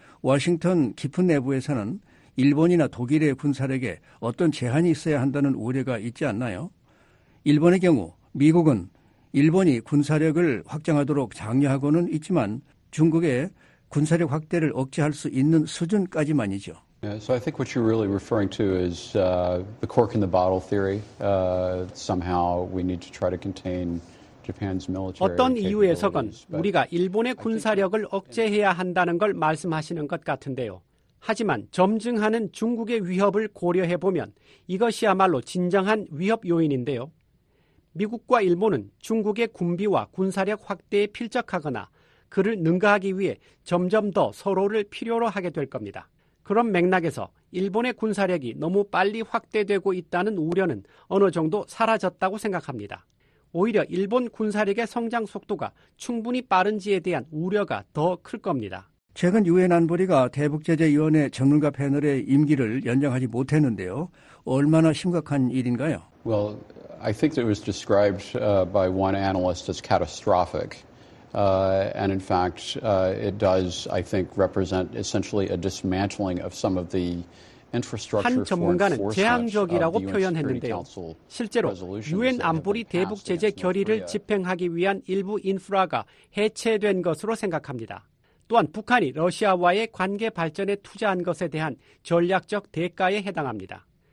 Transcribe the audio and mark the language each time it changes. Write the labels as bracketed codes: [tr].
[ko] 워싱턴 깊은 내부에서는 일본이나 독일의 군사력에 어떤 제한이 있어야 한다는 우려가 있지 않나요? 일본의 경우 미국은 일본이 군사력을 확장하도록 장려하고는 있지만 중국의 군사력 확대를 억제할 수 있는 수준까지만이죠. [en] So I think what you're really referring to is the cork in the bottle theory. Somehow we need to try to contain Japan's military. [ko] 어떤 이유에서건 우리가 일본의 군사력을 억제해야 한다는 걸 말씀하시는 것 같은데요. 하지만 점증하는 중국의 위협을 고려해 보면 이것이야말로 진정한 위협 요인인데요. 미국과 일본은 중국의 군비와 군사력 확대에 필적하거나 그를 능가하기 위해 점점 더 서로를 필요로 하게 될 겁니다. 그런 맥락에서 일본의 군사력이 너무 빨리 확대되고 있다는 우려는 어느 정도 사라졌다고 생각합니다. 오히려 일본 군사력의 성장 속도가 충분히 빠른지에 대한 우려가 더 클 겁니다. 최근 유엔 안보리가 대북제재위원회 전문가 패널의 임기를 연장하지 못했는데요. 얼마나 심각한 일인가요? [en] Well, I think it was described by one analyst as catastrophic. And in fact, it does, I think, represent essentially a dismantling of some of the infrastructure. [ko] 한 전문가는 재앙적이라고 표현했는데요. 실제로 유엔 안보리 대북 제재 결의를 집행하기 위한 일부 인프라가 해체된 것으로 생각합니다. 또한 북한이 러시아와의 관계 발전에 투자한 것에 대한 전략적 대가에 해당합니다.